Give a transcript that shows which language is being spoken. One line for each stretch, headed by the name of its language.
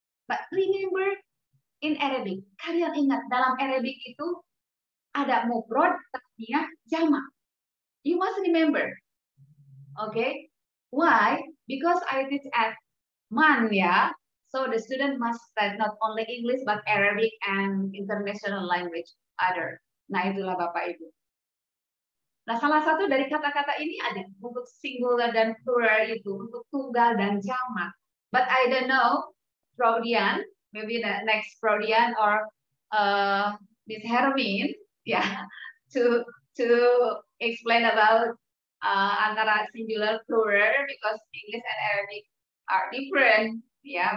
English: But remember, in Arabic,
Indonesian: kalian ingat dalam Arabic itu ada mufrad, tasniyah, jamak.
English: You must remember. Okay? Why? Because I teach at Man, yeah? So the student must study not only English, but Arabic and international language, other.
Indonesian: Nah, itulah Bapak Ibu. Nah, salah satu dari kata-kata ini ada untuk singular dan plural itu, untuk tunggal dan jamak.
English: But I don't know, Prodian, maybe the next Prodian or Miss Hermine, yeah, to explain about antara singular, plural, because English and Arabic are different, yeah.